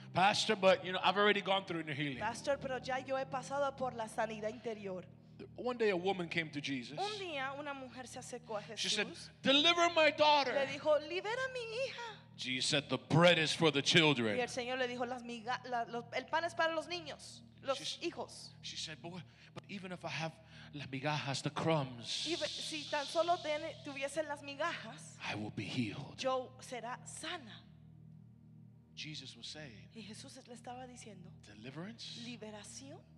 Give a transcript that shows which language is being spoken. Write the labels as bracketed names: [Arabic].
[English] Pastor, but you know, I've already gone through inner healing. [Spanish] Pastor, pero ya yo he pasado por la sanidad interior. [English] One day a woman came to Jesus. [Spanish] Un día una mujer se acercó a Jesús. [English] She said, "Deliver my daughter." [Spanish] Le dijo, "Libera mi hija." [English] Jesus said, "The bread is for the children." [Spanish] Y el Señor le dijo, "El pan es para los niños." Los hijos. [English] She said, but even if I have [Spanish] las migajas, [English] the crumbs, [Spanish] si tan solo tuviesen las migajas, [English] I will be healed. [Spanish] Yo será sana. [English] Jesus was saying, [Spanish] y Jesús le estaba diciendo, [English] deliverance, [Spanish] liberación,